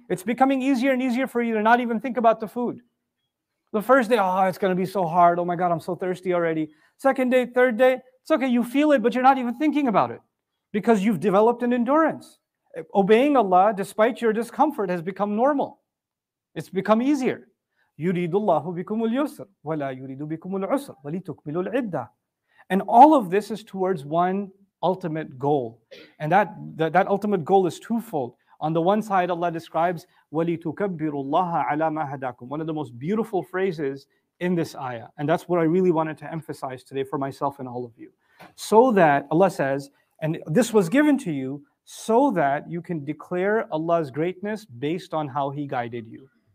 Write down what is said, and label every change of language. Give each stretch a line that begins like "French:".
English: It's becoming easier and easier for you to not even think about the food. The first day, oh, it's going to be so hard. Oh my God, I'm so thirsty already. Second day, third day, it's okay. You feel it, but you're not even thinking about it because you've developed an endurance. Obeying Allah, despite your discomfort, has become normal. It's become easier.
Arabic: يريد الله بكم اليسر ولا يريد بكم العسر ولتكملوا العدة.
English: And all of this is towards one ultimate goal. And that ultimate goal is twofold. On the one side, Allah describes
Arabic: وَلِتُكَبِّرُ اللَّهَ عَلَى مَا هَدَاكُمْ,
English: one of the most beautiful phrases in this ayah. And that's what I really wanted to emphasize today for myself and all of you. So that, Allah says, and this was given to you so that you can declare Allah's greatness based on how He guided you.